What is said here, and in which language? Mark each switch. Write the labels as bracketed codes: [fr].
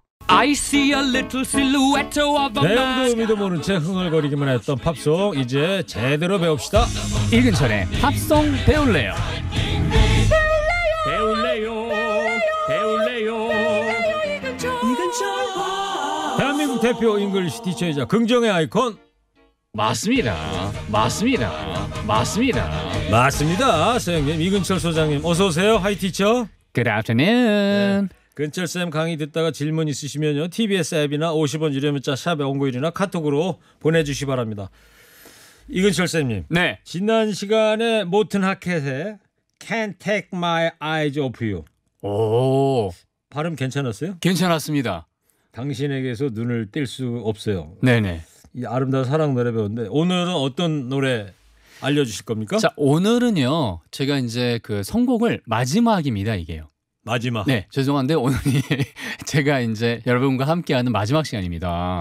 [en] I see a little silhouette of a man. [ko] 내용도 의미도 모른 채 흥얼거리기만 했던 팝송 이제 제대로 배웁시다. 읽은 전에 팝송 배울래요. 배울래요. 배울래요. 배울래요. 대한민국 대표 잉글리시 티처이자 긍정의 아이콘. 맞습니다. 맞습니다. 맞습니다. 맞습니다. 선생님 이근철 소장님 어서 오세요. [en] 하이 티처. Good afternoon. [ko] 네. 근철 쌤 강의 듣다가 질문 있으시면요 TBS 앱이나 50원 유료 문자 샵 연구일이나 카톡으로 보내주시 바랍니다. 이근철 쌤님. 네. 지난 시간에 모튼 하켓의 Can't Take My Eyes Off You. 오. 발음 괜찮았어요? 괜찮았습니다. 당신에게서 눈을 뗄 수 없어요. 네네. 이 아름다운 사랑 노래 배웠는데 오늘은 어떤 노래 알려주실 겁니까? 자 오늘은요 제가 이제 그 선곡을 마지막입니다 이게요. 마지막. 네 죄송한데 오늘이 제가 이제 여러분과 함께하는 마지막 시간입니다.